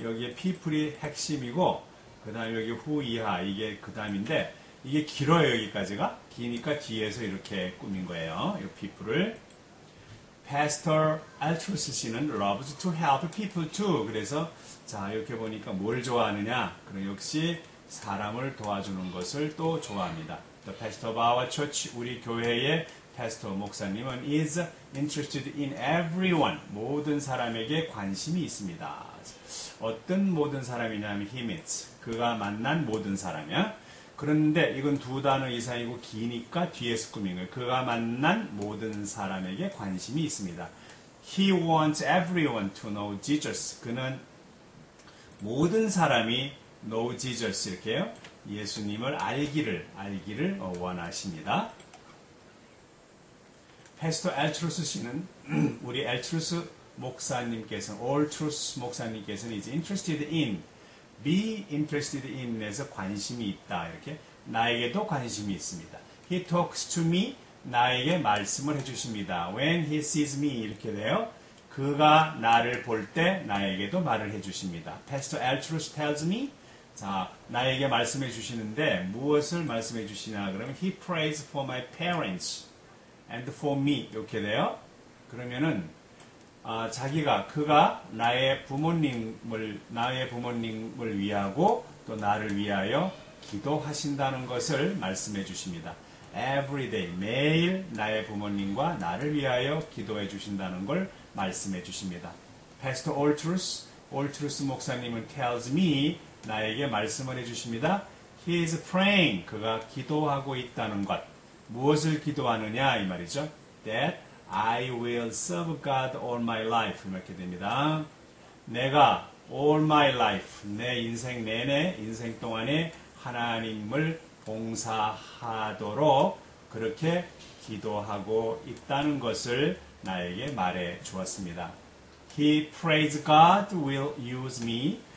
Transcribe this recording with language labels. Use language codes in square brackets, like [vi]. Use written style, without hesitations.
[ko] 여기에 people이 핵심이고 그다음 여기 who 이하 이게 그다음인데 이게 길어요. 여기까지가 기니까 뒤에서 이렇게 꾸민 거예요. [en] 이 people을 Pastor Altruth 씨는 loves to help people too. [ko] 그래서 자 이렇게 보니까 뭘 좋아하느냐? 그럼 역시 사람을 도와주는 것을 또 좋아합니다. [en] The pastor of our church, [ko] 우리 교회의 pastor 목사님은 [en] is interested in everyone. [ko] 모든 사람에게 관심이 있습니다. 어떤 모든 사람이냐면 [en] he meets. [ko] 그가 만난 모든 사람이야. 그런데 이건 두 단어 이상이고 기니까 뒤에서 꾸민 거예요. 그가 만난 모든 사람에게 관심이 있습니다. [en] He wants everyone to know Jesus. [ko] 그는 모든 사람이 [en] know Jesus 이렇게요. [ko] 예수님을 알기를 원하십니다. Pastor Altruth 씨는 우리 Altruth 목사님께서는 Altruth 목사님께서는 [en] is interested in Be interested in [ko] 에서 관심이 있다. 이렇게 나에게도 관심이 있습니다. [en] He talks to me. [ko] 나에게 말씀을 해주십니다. [en] When he sees me. [ko] 이렇게 돼요. 그가 나를 볼 때 나에게도 말을 해주십니다. [en] Pastor Altruth tells me. [ko] 자, 나에게 말씀해 주시는데 무엇을 말씀해 주시냐. [en] 그러면 He prays for my parents and for me. [ko] 이렇게 돼요. 그러면은 그가 나의 부모님을 위하고 또 나를 위하여 기도하신다는 것을 말씀해 주십니다. [en] Every day, [ko] 매일 나의 부모님과 나를 위하여 기도해 주신다는 걸 말씀해 주십니다. Pastor Altruth 목사님은 [en] tells me, [ko] 나에게 말씀을 해 주십니다. [en] He is praying, [ko] 그가 기도하고 있다는 것. 무엇을 기도하느냐, 이 말이죠. [en] That I will serve God all my life. [ko] 이렇게 됩니다. 내가 all my life, 내 인생 내내, 인생 동안에 하나님을 봉사하도록 그렇게 기도하고 있다는 것을 나에게 말해 주었습니다. [en] He prays God will use me.